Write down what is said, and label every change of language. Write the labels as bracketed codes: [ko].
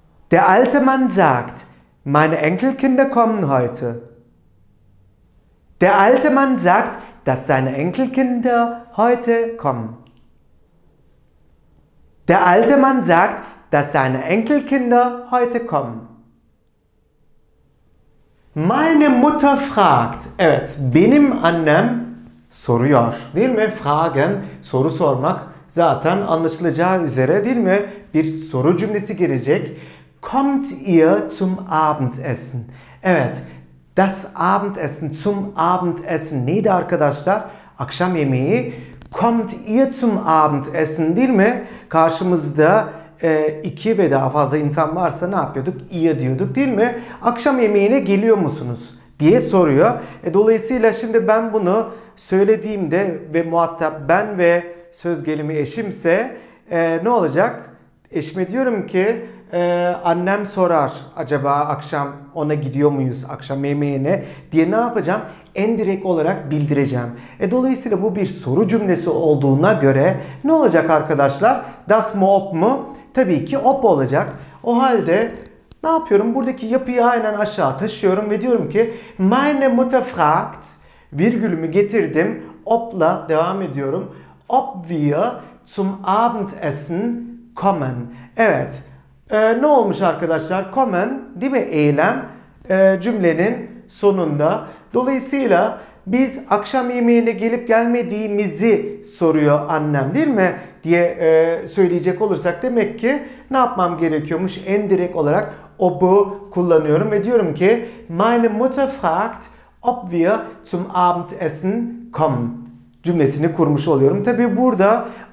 [de] Der alte Mann sagt, meine Enkelkinder kommen heute. Der alte Mann sagt, dass seine Enkelkinder heute kommen. Der alte Mann sagt, dass seine Enkelkinder heute kommen. Meine Mutter fragt. [tr] Evet, benim annem soruyor. Değil mi? Fragen, soru sormak. Zaten anlaşılacağı üzere değil mi? Bir soru cümlesi gelecek. [de] Kommt ihr zum Abendessen? [tr] Evet, das Abendessen, [de] zum Abendessen [tr] neydi arkadaşlar? Akşam yemeği. [de] Kommt ihr zum Abendessen, [tr] değil mi? Karşımızda iki ve daha fazla insan varsa ne yapıyorduk? Ihr diyorduk, değil mi? Akşam yemeğine geliyor musunuz diye soruyor. Dolayısıyla şimdi ben bunu söylediğimde ve muhatap ben ve söz gelimi eşimse ne olacak? Eşime diyorum ki annem sorar acaba akşam ona gidiyor muyuz akşam yemeğine diye ne yapacağım? Endirekt olarak bildireceğim. Dolayısıyla bu bir soru cümlesi olduğuna göre ne olacak arkadaşlar? Das mu ob mu? Tabii ki ob olacak. O halde ne yapıyorum? Buradaki yapıyı aynen aşağı taşıyorum ve diyorum ki [de] meine Mutter fragt, [tr] virgülümü getirdim, ob'la devam ediyorum. [de] Ob wir zum Abendessen kommen. [tr] Evet. Ne olmuş arkadaşlar? Kommen, değil mi? Eylem cümlenin sonunda. Dolayısıyla biz akşam yemeğine gelip gelmediğimizi soruyor annem, değil mi? Diye söyleyecek olursak demek ki ne yapmam gerekiyormuş? Endirekt olarak ob'u kullanıyorum ve diyorum ki [de] meine Mutter fragt, ob wir zum Abendessen kommen [tr] cümlesini kurmuş oluyorum. Tabii burada